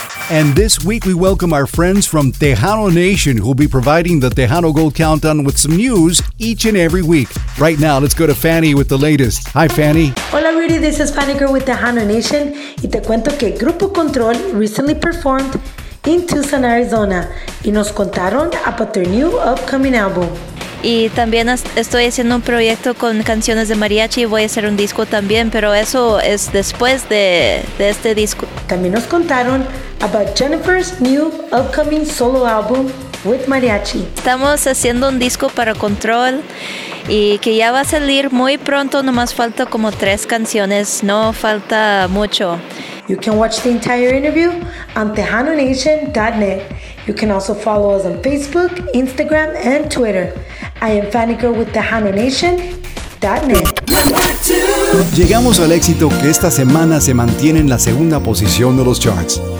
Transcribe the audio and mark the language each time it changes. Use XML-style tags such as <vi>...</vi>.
<en>And this week we welcome our friends from Tejano Nation who will be providing the Tejano Gold Countdown with some news each and every week. Right now, let's go to Fanny with the latest. Hi, Fanny. Hola, Rudy. This is Fanny Girl with Tejano Nation.</en> <es>Y te cuento que</es> <en>Grupo Control recently performed in Tucson, Arizona.</en> <es>Y nos contaron</es> <en>about their new upcoming album.</en> <es>Y también estoy haciendo un proyecto con canciones de mariachi y voy a hacer un disco también, pero eso es después de este disco. También nos contaron</es> <en>about Jennifer's new upcoming solo album with mariachi.</en> <es>Estamos haciendo un disco para Control y que ya va a salir muy pronto, nomás falta como 3 canciones, no falta mucho.</es> <en>You can watch the entire interview on TejanoNation.net. You can also follow us on Facebook, Instagram, and Twitter. I am Fanny Girl with TejanoNation.net.</en> <es>Llegamos al éxito que esta semana se mantiene en la segunda posición de los charts.</es>